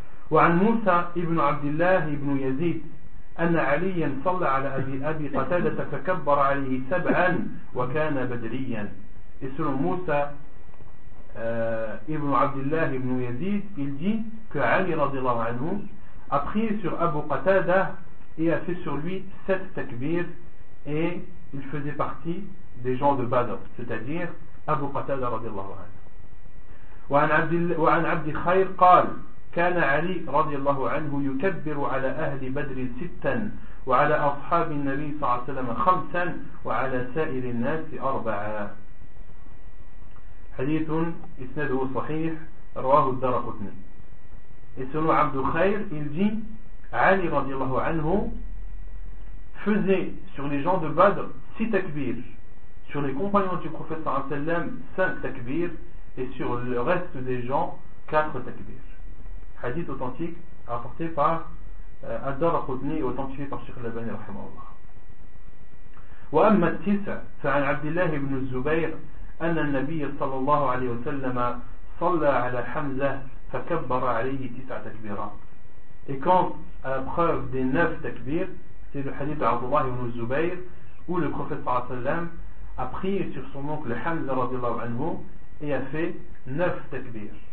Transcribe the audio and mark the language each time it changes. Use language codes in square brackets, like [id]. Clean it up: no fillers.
[ar] وعن موسى ابن عبد الله ابن يزيد أن عليا صلى على أبي قتادة فكبر عليه سبعا وكان بدريا. [fr] Et selon Moussa Ibn Abdullah ibn Yazid, il dit que Ali radiallahu anhu a prié sur Abu Qatada et a fait sur lui 7 takbir, et il faisait partie des gens de Badr, c'est-à-dire Abu Qatada radiallahu anhu. [ar] وعن عبد الخير قال كان علي radiallahu anhu يكبر على أهل بدر ستا وعلى أصحاب النبي صلى الله عليه وسلم خمسا وعلى سائر الناس أربعا. حديث إسناده صحيح رواه الدارقطني. [fr] Et selon عبد الخير, il dit علي رضي الله عنه faisait sur les gens de Badr 6 takbir, sur les compagnons du prophète صلى الله عليه وسلم 5 takbir, et sur le reste des gens 4 takbir. Hadith authentique rapporté par الدارقطني, authentifié par Cheikh Al-Albani رحمه الله. [ar] وأما التسع فعن عبد الله بن الزبير أن النبي صلى الله عليه وسلم صلى على حمزة فكبر عليه 9 تكبيرات. [fr] Et quand à la preuve des 9 تكبير, c'est le hadith d'Abdullah ibn Zubayr, où le prophète صلى الله عليه وسلم a prié sur son oncle حمزة رضي الله عنه et a fait 9 تكبير.